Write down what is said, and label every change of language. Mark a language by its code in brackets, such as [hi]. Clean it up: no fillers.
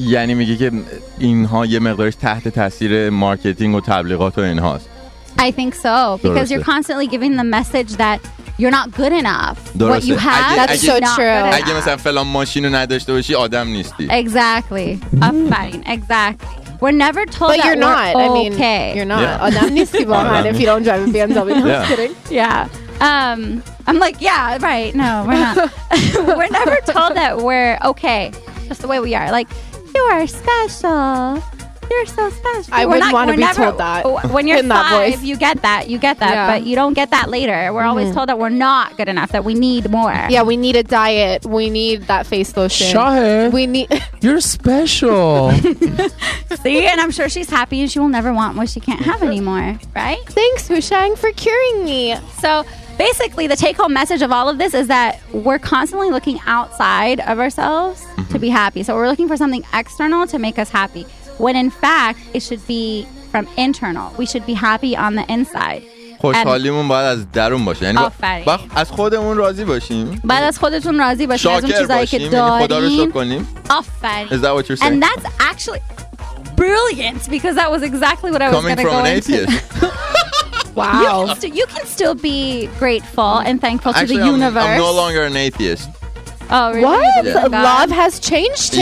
[fa] یعنی میگه که اینها یه مقدارش تحت تاثیر مارکتینگ و تبلیغات و اینهاست. [en] I think so. Because you're constantly giving the message that you're not good enough. [fa] درسته. [en] What you have, that's so true. [fa] اگه مثلا فلان ماشینو نداشته باشی آدم نیستی. [en] Exactly. Fine. Exactly. We're never told but that you're not. We're okay. I mean, you're not. [fa] آدم نیستی با من [en] if you don't drive a BMW. I'm just kidding. Yeah. I'm like, yeah, right. No, we're not. We're never told that we're okay. Just the way we are. Like, you are special. You're so special. I wouldn't want to be never, told that. When you're in that five, voice. you get that. Yeah. But you don't get that later. We're always told that we're not good enough, that we need more. Yeah, we need a diet. We need that face lotion. Shahid, we need. You're special. See, and I'm sure she's happy and she will never want what she can't have anymore. Right? Thanks, Hushang, for curing me. So basically, the take-home message of all of this is that we're constantly looking outside of ourselves to be happy. So we're looking for something external to make us happy. When in fact, it should be from internal. We should be happy on the inside. [fa] خوشحالیمون باید از درون باشه. یعنی از خودمون راضی باشیم. باید از خودتون راضی باشیم. شاکر باشیم. یعنی خدا رو شکر کنیم. آفرین. [en] Is that what you're saying? And that's actually brilliant because that was exactly what I was going to go into. Coming from an atheist. Wow. You can still be grateful and thankful actually, to the universe. I'm no longer an atheist. Oh, really? What? Yeah. Love has changed him.